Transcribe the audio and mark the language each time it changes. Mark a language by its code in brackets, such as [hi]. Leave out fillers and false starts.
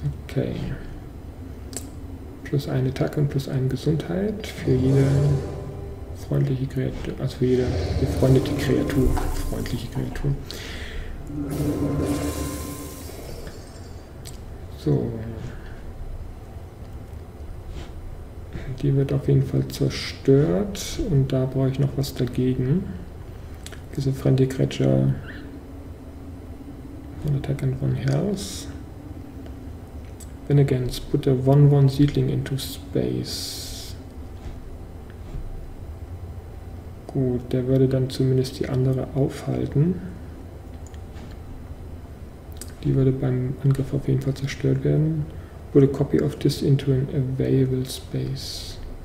[de] Okay. Plus eine Attacke und plus eine Gesundheit für jede freundliche Kreatur, also für jede befreundete Kreatur, freundliche Kreatur. So. Die wird auf jeden Fall zerstört und da brauche ich noch was dagegen. Diese [en] friendly creature one attack and one health. Then again, put a 1-1 Seedling into space. [de] Gut, der würde dann zumindest die andere aufhalten. Die würde beim Angriff auf jeden Fall zerstört werden. [en] Put a copy of this into an available space.